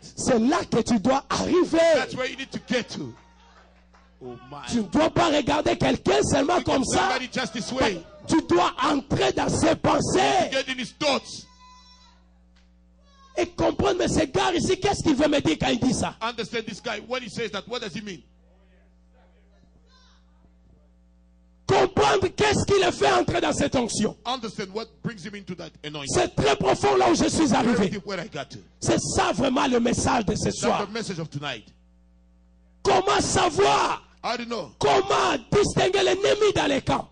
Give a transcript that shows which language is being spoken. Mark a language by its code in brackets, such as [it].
[fr] C'est là que tu dois arriver. [en] That's where you need to get to. Oh my. [fr] Tu ne dois pas regarder quelqu'un seulement comme ça. [en] Just this way. [fr] Tu dois entrer dans ses pensées. [en] To get in his thoughts. [fr] Et comprendre, mais ce gars ici, qu'est-ce qu'il veut me dire quand il dit ça? [en] Understand this guy, when he says that, what does he mean? [fr] Comprendre qu'est-ce qui le fait entrer dans cette onction. [en] Understand what brings him into that anointing. [fr] C'est très profond là où je suis arrivé. [en] Where I got to. [fr] C'est ça vraiment le message de ce soir. [en] The message of tonight. [fr] Comment savoir? [en] I don't know. [fr] Comment distinguer l'ennemi dans les camps?